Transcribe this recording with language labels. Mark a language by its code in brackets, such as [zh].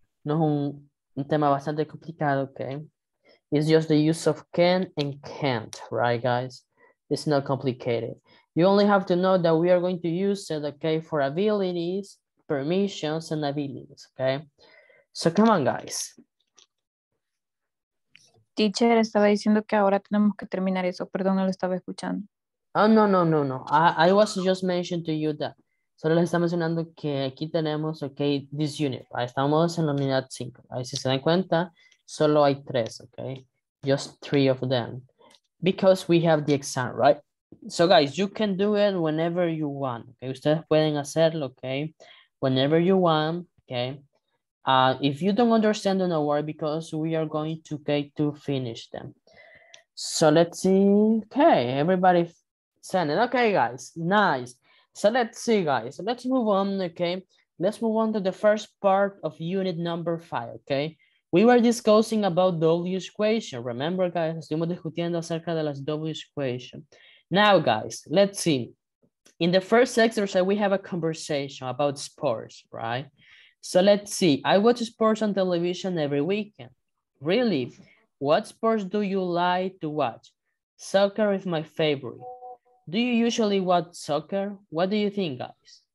[es] No es un tema bastante complicado, [en] okay? It's just the use of can and can't, right, guys? It's not complicated. You only have to know that we are going to use it, okay, for abilities, permissions, and abilities, okay? So come on, guys. [es] Teacher, estaba diciendo que ahora tenemos que terminar eso. Perdón, no lo estaba escuchando. [en] Oh, no, no, no, no. I was just mentioning to you that. [es] Solo les estaba mencionando que aquí tenemos, [en] okay, this unit. Right? [es] Estamos en la unidad 5. Right? Si se dan cuenta, solo hay 3, okay? [en] Just 3 of them. Because we have the exam, right? So, guys, you can do it whenever you want. Okay? [es] Ustedes pueden hacerlo, [en] okay? Whenever you want, okay? If you don't understand, don't worry, because we are going to get to finish them. So let's see. Okay, everybody send it. Okay, guys, nice. So let's see, guys. Let's move on, okay? Let's move on to the first part of unit number 5, okay? We were discussing about W equation. Remember, guys, [es] estuvimos discutiendo acerca de las W equation. [en] Now, guys, let's see. In the first exercise, we have a conversation about sports, right? So let's see, I watch sports on television every weekend. Really, what sports do you like to watch? Soccer is my favorite. Do you usually watch soccer? What do you think, guys?